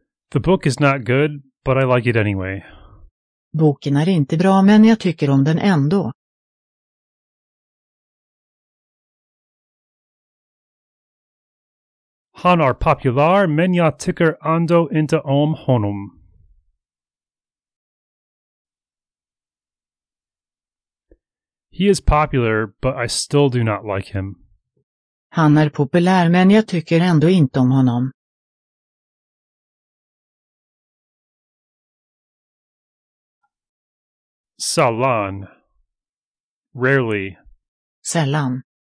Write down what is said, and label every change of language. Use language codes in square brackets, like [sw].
[en] The book is not good, but I like it anyway. [sv] Boken är inte bra, men jag tycker om den ändå. Han är populär, men jag tycker ändå inte om honom. [en] He is popular, but I still do not like him. [sv] Han är populär, men jag tycker ändå inte om honom. Sällan. [en] Rarely. [sv] Sällan.